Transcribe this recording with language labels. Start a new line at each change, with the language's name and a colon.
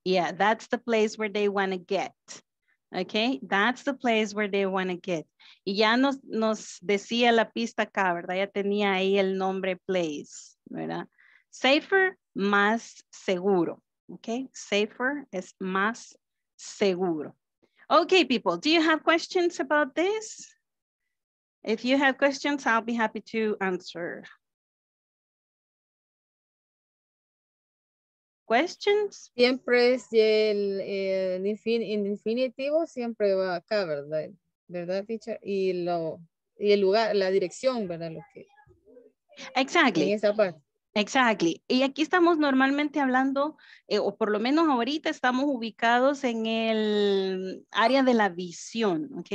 English: Yeah, that's the place where they want to get. Okay, that's the place where they want to get.
Spanish: Y ya nos decía la pista acá, ¿verdad? Ya tenía ahí el nombre place, ¿verdad? Safer, más seguro, okay? Safer es más seguro.
English: Okay, people, do you have questions about this? If you have questions, I'll be happy to answer. Questions?
Spanish: Siempre es el infinitivo, siempre va acá, ¿verdad? ¿Verdad, teacher? Y el lugar, la dirección, ¿verdad? Lo que,
English: exactly.
Spanish: En esa parte.
English: Exactly.
Spanish: Y aquí estamos normalmente hablando, o por lo menos ahorita estamos ubicados en el área de la visión, ¿ok?